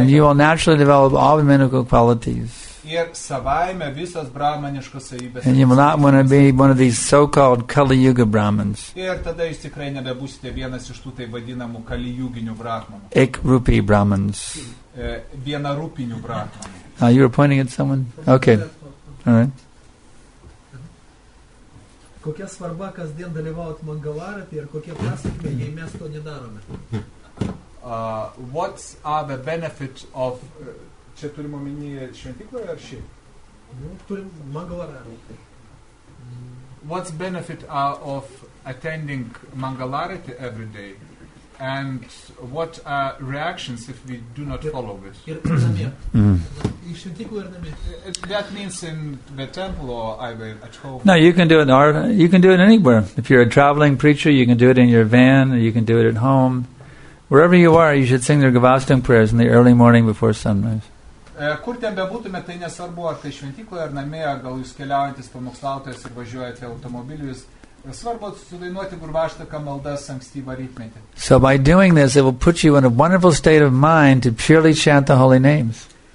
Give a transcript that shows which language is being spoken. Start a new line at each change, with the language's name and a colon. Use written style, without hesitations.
English: And you will naturally develop all the brahmanical qualities.
Lithuanian: Ir savaime visos brahmaniškos savybės.
English: And you will not want to be one of these so-called Kali Yuga Brahmins.
Lithuanian: Ir tada jūs tikrai nebebūsite vienas iš tų taip vadinamų Kali Yuginių brahmanų.
Hindi: Ek rupi brahmins.
Lithuanian: Viena rupinių brahmanų.
English: You were pointing at someone? Okay. All right.
Lithuanian: Kokia svarba kasdien dalyvaut mangalarate ir kokie pasekmė jei mes to nedarome?
English: What are the benefits of
Lithuanian: čia turim omeny šventykloje ar šiaip? Turim mangalarate.
English: What's benefit of attending mangalarate every day? And what are reactions if we do not follow it? That means in the temple or either at home? No, you can do it anywhere. If you're a traveling preacher, you can do it in your van, or you can do it at home. Wherever you are, you should sing the Gavastam prayers in the early morning before sunrise.
Lithuanian: Kur ten bebūtume, tai nesvarbu, ar tai šventykloje, ar namė, gal jūs keliaujantis pamokslautojas ir važiuojate automobilius.
English: So by doing this, it will put you in a wonderful state of mind to purely chant the holy names.